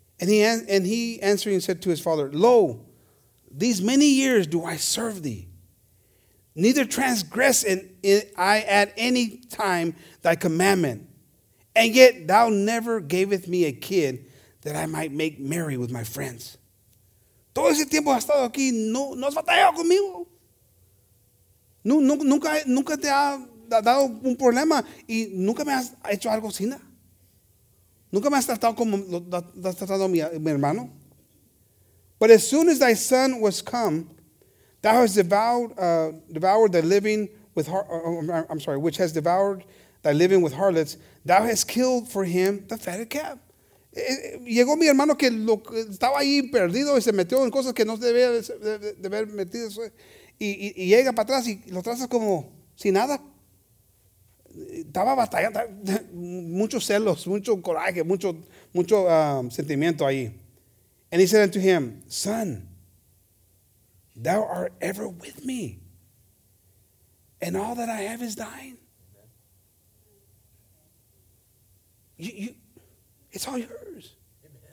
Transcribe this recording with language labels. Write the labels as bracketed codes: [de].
[en] And he answered and said to his father, Lo, these many years do I serve thee, neither transgress I at any time thy commandment. And yet thou never gavest me a kid that I might make merry with my friends. [es] Todo ese tiempo has estado aquí, no has batallado conmigo. Nunca te ha dado un problema y nunca me has hecho algo sin nada. Nunca me has tratado como lo has tratado mi hermano. [en] But as soon as thy son was come, thou hast devoured the living with which has devoured thy living with harlots, thou hast killed for him the fatted calf. [es] Llegó mi hermano que estaba ahí perdido y se metió en cosas que no debía de haber metido. Y llega para atrás y lo trazas como sin nada. Estaba batallando, muchos celos, mucho coraje, mucho sentimiento ahí. [en] And he said unto him, Son, thou art ever with me, and all that I have is thine. It's all yours. Amen.